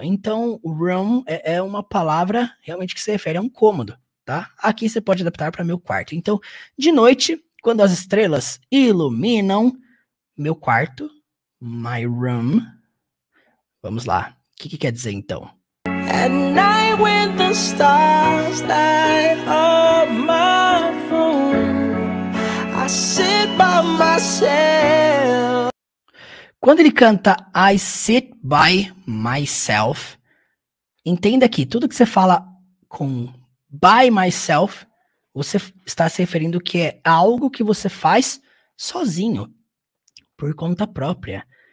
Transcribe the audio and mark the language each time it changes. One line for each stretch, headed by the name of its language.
Portuguese: Então, room é uma palavra realmente que se refere a um cômodo, tá? Aqui você pode adaptar para meu quarto. Então, de noite, quando as estrelas iluminam meu quarto, my room. Vamos lá. O que que quer dizer então?
English: At night when the stars light up my room, I sit by myself.
Portuguese: Quando ele canta
English: I sit by myself,
Portuguese: entenda aqui, tudo que você fala com by myself, você está se referindo que é algo que você faz sozinho, por conta própria.